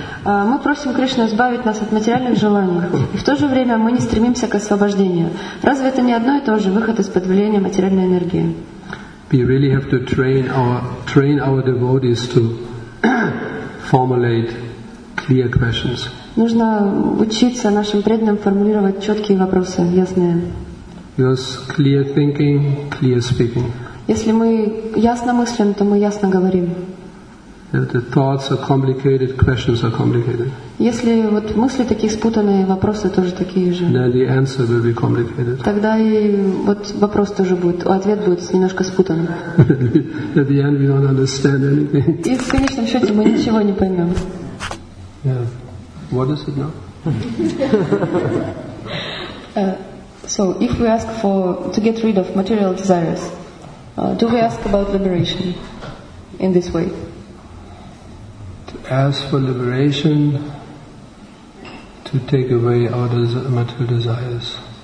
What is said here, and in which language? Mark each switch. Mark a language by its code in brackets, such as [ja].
[ru] Мы просим Кришну избавить нас от материальных желаний, и в то же время мы не стремимся к освобождению. Разве это не одно и то же выход из-под влияния материальной энергии? [en] we really have to train our devotees to formulate clear questions. [ru] Нужно учиться нашим преданным формулировать четкие вопросы, ясные. [en] Just clear thinking, clear speaking. [ru] Если мы ясно мыслим, то мы ясно говорим. [en] If the thoughts are complicated, questions are complicated. [ru] Если вот мысли такие спутанные, вопросы тоже такие же. [en] Then the answer will be complicated. [ru] Тогда и вот вопрос тоже будет, ответ будет немножко спутанным. [en] At the end, we don't understand anything. [ru] И в конечном счете мы ничего не поймем. [en] Yeah. What is it now? So, if we ask for to get rid of material desires, do we ask about liberation in this way? As for liberation, to take away our material desires.